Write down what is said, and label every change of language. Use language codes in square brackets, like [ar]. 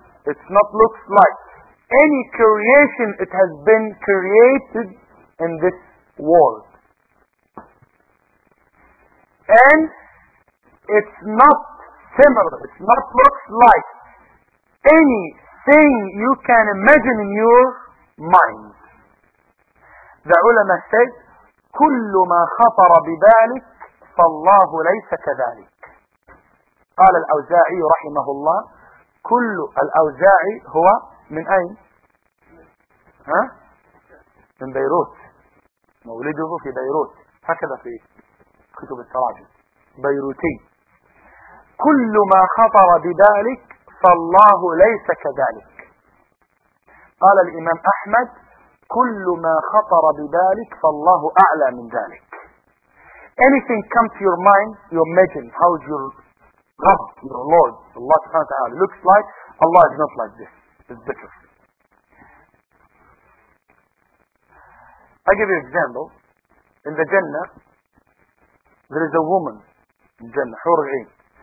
[en] It's not looks like any creation it has been created in this world. And it's not similar, it's not looks like anything you can imagine in your mind. The ulama says, [ar] كل ما خطر ببالك فالله ليس كذلك. قال الأوزاعي رحمه الله, كل الأوزاعي هو من أين؟ ها؟ من بيروت, مولده في بيروت, هكذا في كتب التراجم, بيروتي. كل ما خطر ببالك فالله ليس كذلك. قال الإمام أحمد, كل ما خطر ببالك فالله أعلى من ذلك. [en] Anything comes to your mind, you imagine how your God, your Lord, Allah subhanahu wa ta'ala looks like, Allah is not like this. It's better. I give you an example. In the Jannah, there is a woman in Jannah, Hurjin.